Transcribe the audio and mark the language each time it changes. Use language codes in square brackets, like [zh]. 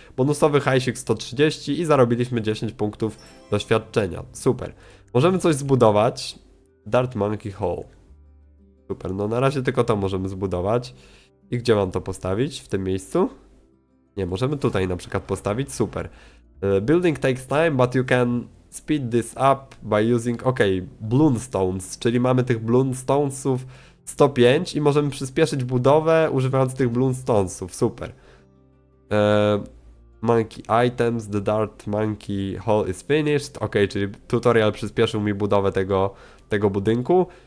[pl] Bonusowy hajsik 130 i zarobiliśmy 10 punktów doświadczenia. Super. Możemy coś zbudować. Dart Monkey Hall. Super, no na razie tylko to możemy zbudować. I gdzie mam to postawić? W tym miejscu? Nie, możemy tutaj na przykład postawić. Super. [en] Building takes time, but you can... Speed this up by using, [pl] okej, Bloonstones, czyli mamy tych Bloonstonesów 105 i możemy przyspieszyć budowę używając tych Bloonstonesów, super. [en] Monkey items, the dart monkey hall is finished, [pl] okej, czyli tutorial przyspieszył mi budowę tego budynku.